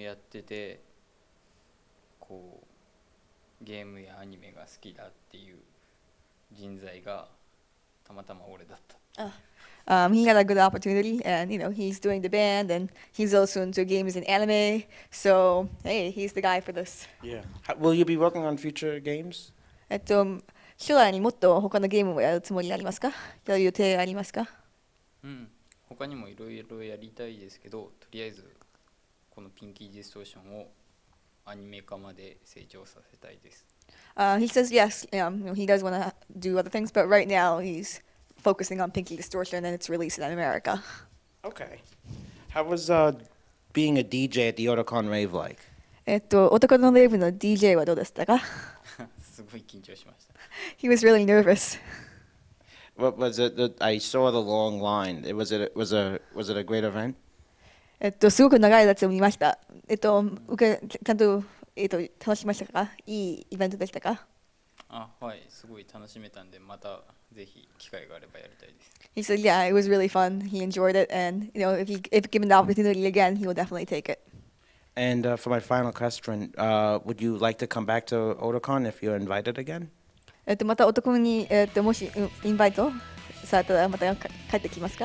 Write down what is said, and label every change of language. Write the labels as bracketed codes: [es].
[ja] 企画があったので元からぜひそのバンドもやっててこう。 [en] He got a good opportunity, and you know he's doing the band, and he's also into games and anime. So hey, he's the guy for this. Yeah. Will you be working on future games? [ja] 将来にもっと他のゲームをやるつもりありますか？やる予定ありますか？他にもいろいろやりたいですけど、とりあえずこのピンキーディストーションをアニメ化まで成長させたいです。 [en] He says yes, he does want to do other things, but right now he's focusing on Pinky Distortion and its release in America. Okay. How was being a DJ at the Otakon Rave like? [ja] Otakon Rave の DJ はどうでしたか？すごい緊張しました。 [en] He was really nervous. What was it? I saw the long line. Was it a great event? [ja] すごく長い列を見ました。ちゃんと楽しましたか？いいイベントでしたか？あ、はい、すごい楽しめたんで、またぜひ機会があればやりたいです。 [en] He said, yeah, it was really fun. He enjoyed it. And, if given the opportunity again, he will definitely take it. And for my final question, would you like to come back to Otakon if you're invited again? [ja] またオタコンに、もし、インバイトされたら、また帰ってきますか？